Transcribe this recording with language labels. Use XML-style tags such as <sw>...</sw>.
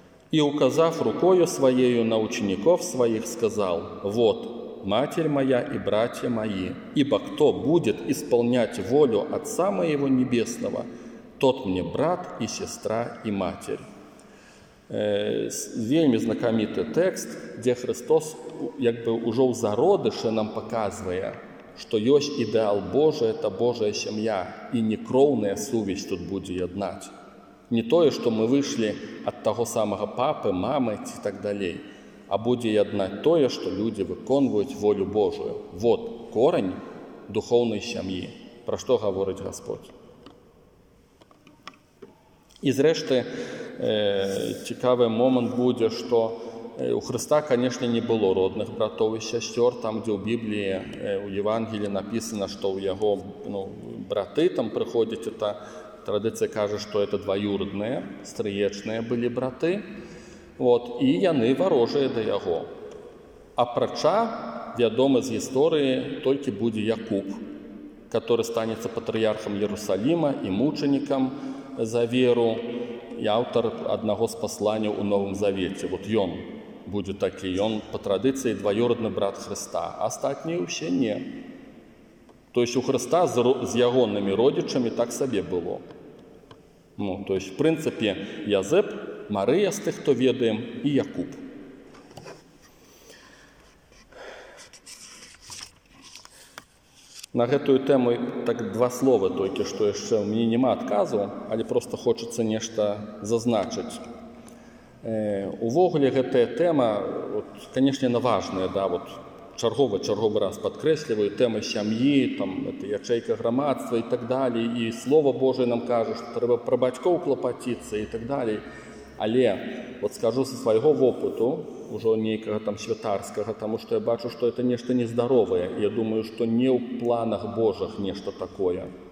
<ru>И, указав рукою своею на учеников своих, сказал, «Вот, Матерь моя и братья мои, ибо кто будет исполнять волю Отца моего Небесного, тот мне брат и сестра и матерь». Вельми знакомитый текст, где Христос как бы уже в зародыше нам показывая, что есть идеал Божий, это Божия семья, и не кровная совесть тут будет еднать.</ru> <be>Не тое, што мы выйшлі ад таго самага папы, мамы і так далей, а будзе яднаць тое, што людзі выконваюць волю Божую. Вот корань духоўнай сям'і, пра што гаворыць Господь. І зрэшты, цікавы момант будзе, што у Хрыста, канешне, не было родных братоў і сясцёр, там, дзе ў Біблії, у Евангелі написано, што ў яго ну, браты там прыходзяць, это... Традыцыя кажа, што это дваюрдныя, стрыечныя былі браты, вот, і яны варожыя да яго. Апрача, вядомы з гісторыі, толькі будзе Якуб, каторы станецца патрыярхам Єрусаліма і мучанікам за веру, і аўтар аднаго з пасланняў у Новым Завеце. Вот ён будзе такі, ён па традыцыі дваюрдны брат Хрыста, астатнія ўсе не.</be> <ru>То есть у Христа с ягонными родичами так себе было. Ну, то есть, в принципе, Язеп, Мария, с тех, кто ведаем, и Якуб. На эту тему так два слова только, что еще мне нема отказу, але просто хочется нечто зазначить.</ru> <be>Увогуле гэтая тэма, канешне, наважная, да, вот чарговы раз падкрэсліваю, тэмы сям'і, там это ячэйка грамадства і так далі, і слова Божае нам кажа, што трэба пра бацькоў клапаціцца і так далі. Але вот скажу са свайго вопыту, ўжо нейкага там святарскага, таму што я бачу, што это нешта нездаровае, я думаю, што не ў планах Божых нешта такое.</be>